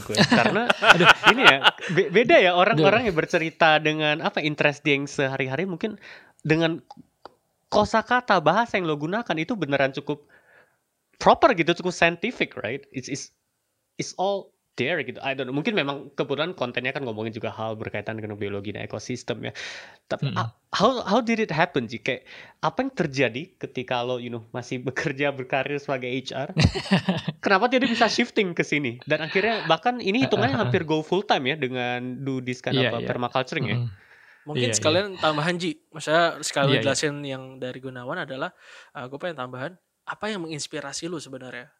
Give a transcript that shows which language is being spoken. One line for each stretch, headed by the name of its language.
Indonesian: Karena ini ya beda ya, orang-orang yang bercerita dengan apa interest dia yang sehari-hari, mungkin dengan kosakata bahasa yang lo gunakan itu beneran cukup proper gitu, cukup scientific, right?
English: It's all there
Indonesian: gitu.
English: I don't know,
Indonesian: mungkin memang kebetulan kontennya kan ngomongin juga hal berkaitan dengan biologi dan ekosistem ya. Tapi
English: how did it happen
Indonesian: sih? Kayak apa yang terjadi ketika lo,
English: you know,
Indonesian: masih bekerja berkarir sebagai HR? Kenapa dia bisa shifting ke sini? Dan akhirnya bahkan ini hitungannya hampir
English: go full time
Indonesian: ya dengan
English: do this kind of permaculturing
Indonesian: ya. Mungkin sekalian tambahan Ji, maksudnya sekalian jelasin yang dari Gunawan adalah, gue pengen tambahan, apa yang menginspirasi lu sebenarnya?